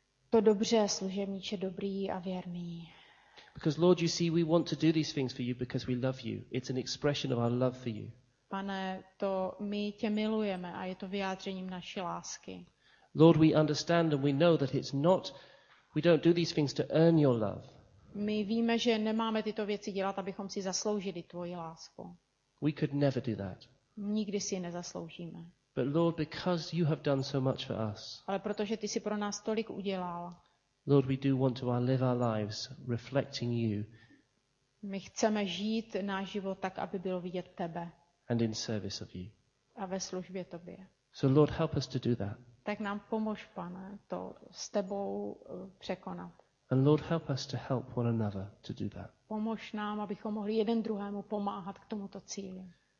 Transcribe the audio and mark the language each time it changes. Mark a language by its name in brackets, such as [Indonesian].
[Czech] To dobře, služebníče, dobrý a věrný. [English] Because Lord, you see, we want to do these things for you because we love you. It's an expression of our love for you. [Czech] Pane, to my tě milujeme a je to vyjádřením naší lásky. [English] Lord, we understand and we know that it's not, we don't do these things to earn your love. [Czech] My víme, že nemáme tyto věci dělat, abychom si zasloužili tvoji lásku. [English] We could never do that. [Czech] Nikdy si je nezasloužíme. [English] But Lord, because you have done so much for us. [Czech] Ale protože ty jsi pro nás tolik udělal. [English] Lord, we do want to live our lives reflecting you. [Czech] My chceme žít náš život tak, aby bylo vidět tebe. [English] And in service of you. [Czech] A ve službě tobě. [English] So Lord, help us to do that. [Czech] Tak nám pomož, Pane, to s tebou překonat. [English] And Lord, help us to help one another to do that. [Czech] Pomož nám, abychom mohli jeden druhému pomáhat k tomuto cíli.